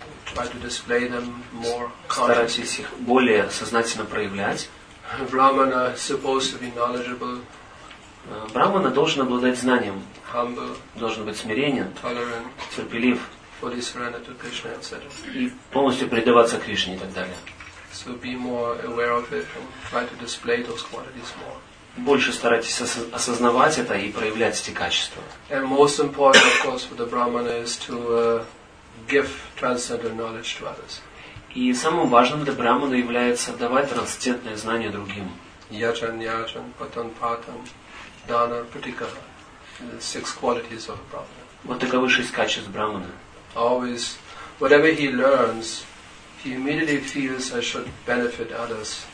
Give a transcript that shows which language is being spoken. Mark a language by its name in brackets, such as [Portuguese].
[Russian] Старайтесь их более сознательно проявлять. Брахмана должен обладать знанием, [English] humble, [Russian] должен быть смиренен, [English] tolerant, [Russian] терпелив [English] fully surrendered to Krishna, etc. [Russian] И полностью предаваться Кришне и так далее. [English] So be more aware of it and try to display those qualities more. [Russian] Больше старайтесь осознавать это и проявлять эти качества. [English] And most important, of course, for the Brahmana is to give transcendental knowledge to others. [Russian] И самым важным для Брахмана является давать трансцендентное знание другим. [Sanskrit] Yachan, yachan, patan, patan. Dana, pratikara, [English] six qualities of a brahmana. [Russian] Вот таковы шесть качеств брахмана. [English] Always, whatever he learns, he immediately feels I should benefit others.